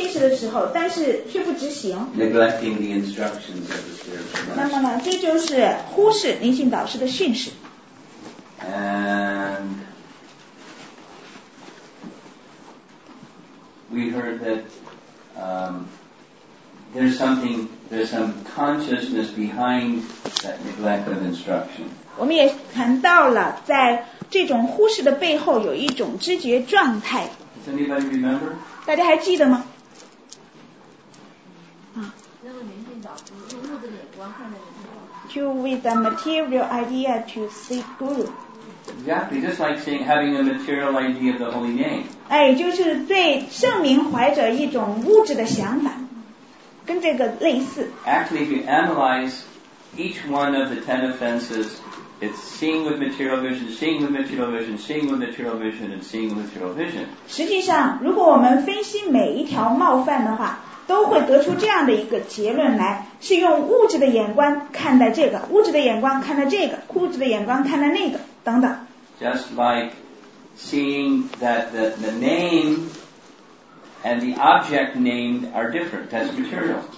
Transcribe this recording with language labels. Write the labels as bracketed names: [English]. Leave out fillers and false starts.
[Chinese] 那就是当你得到某个训示的时候，但是却不执行。 [English] Neglecting the instructions of the spiritual master. [Chinese] 那么呢，这就是忽视灵性导师的训示。 [English] And we heard that there's some consciousness behind that neglect of instruction. [Chinese] 我们也谈到了，在这种忽视的背后有一种知觉状态。 [English] Does anybody remember? [Chinese] 大家还记得吗? 啊。 [English] To with a material idea to seek Guru. Exactly, just like saying having a material idea of the holy name. [Chinese] 哎，就是对圣名怀着一种物质的想法，跟这个类似。 [English] Actually, if you analyze each one of the 10 offenses, it's seeing with material vision, seeing with material vision, seeing with material vision, and seeing with material vision. [Chinese] 实际上，如果我们分析每一条冒犯的话，都会得出这样的一个结论来：是用物质的眼光看待这个，物质的眼光看待这个，物质的眼光看待那个，等等。 [English] Just like seeing that the name and the object named are different, that's material.